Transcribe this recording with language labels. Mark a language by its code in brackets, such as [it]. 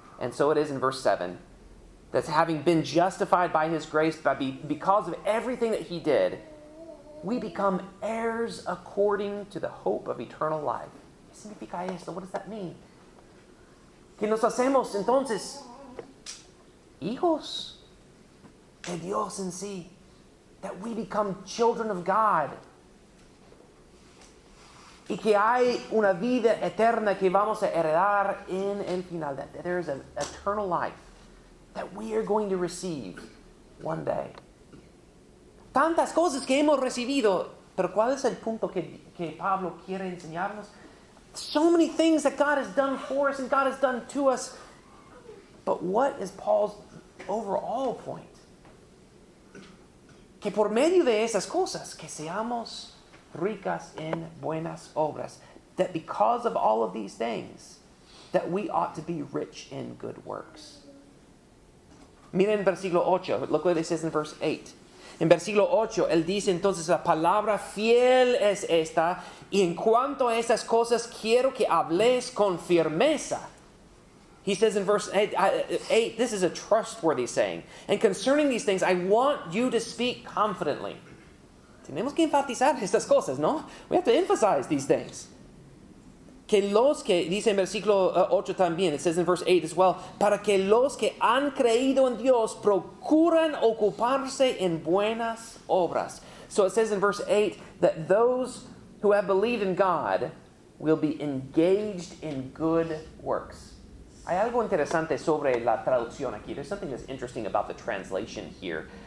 [en] And so it is in verse 7. That having been justified by his grace, by because of everything that he did, we become heirs according to the hope of eternal life. [es] ¿Qué significa esto? [en] What does that mean? [es] Que nos hacemos, entonces, hijos de Dios en sí. [en] That we become children of God. [es] Y que hay una vida eterna que vamos a heredar en el final. [en] That there is an eternal life that we are going to receive one day. [es] Tantas cosas que hemos recibido. Pero ¿cuál es el punto que Pablo quiere enseñarnos? [en] So many things that God has done for us and God has done to us. But what is Paul's overall point? [es] Que por medio de esas cosas, que seamos ricas en buenas obras. [en] That because of all of these things, that we ought to be rich in good works. [es] Miren versículo 8. [en] Look what it says in verse 8. [es] En versículo 8, él dice entonces, la palabra fiel es esta, y en cuanto a esas cosas, quiero que habléis con firmeza. [en] He says in verse 8, this is a trustworthy saying. And concerning these things, I want you to speak confidently. [es] Tenemos que enfatizar estas cosas, ¿no? [en] We have to emphasize these things. [es] Que los que, dice en versículo 8 también, [en] it says in verse 8 as well, [es] para que los que han creído en Dios procuran ocuparse en buenas obras. [en] So it says in verse 8 that those who have believed in God will be engaged in good works. [es] Hay algo interesante sobre la traducción aquí. [en] There's something that's interesting about the translation here.